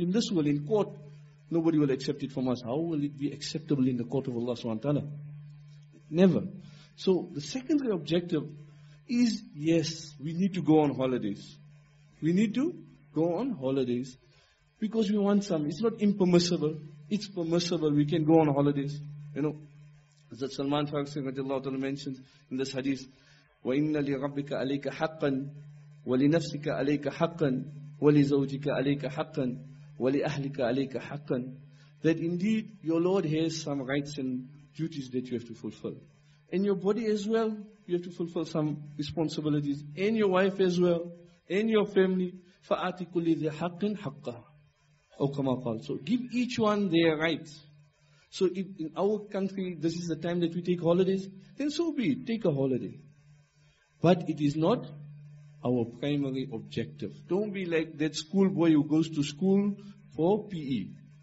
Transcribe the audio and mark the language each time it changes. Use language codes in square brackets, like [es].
[en] In this world, in court, nobody will accept it from us. How will it be acceptable in the court of Allah subhanahu wa ta'ala? Never. So, the secondary objective is, yes, we need to go on holidays. We need to go on holidays because we want some. It's not impermissible. It's permissible. We can go on holidays. You know, Hazrat Salman Farisi radiallahu ta'ala mentions in this hadith, [ar] وَإِنَّ لِرَبِّكَ عَلَيْكَ حَقًّا وَلِنَفْسِكَ عَلَيْكَ حَقًّا وَلِزَوْجِكَ عَلَيْكَ حَقًّا وَلِأَهْلِكَ عَلَيْكَ حَقًّا. [en] That indeed your Lord has some rights and duties that you have to fulfill. And your body as well, you have to fulfill some responsibilities. And your wife as well. And your family. [ar] فَآتِ كُلِّ ذِي حَقٍ حَقًّا أو كَمَا قَالَ. [en] So give each one their rights. So if in our country this is the time that we take holidays, then so be it. Take a holiday. But it is not our primary objective. Don't be like that schoolboy who goes to school for PE.